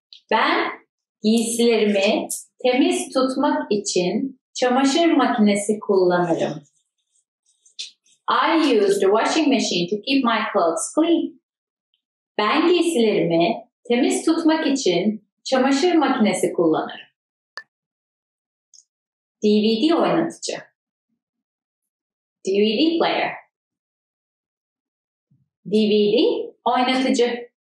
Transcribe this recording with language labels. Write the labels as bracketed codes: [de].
[tr] Ben giysilerimi temiz tutmak için çamaşır makinesi kullanırım. [en] I use the washing machine to keep my clothes clean. [tr] Ben giysilerimi temiz tutmak için çamaşır makinesi kullanırım. DVD oynatıcı. [en] DVD player. [tr] DVD oynatıcı.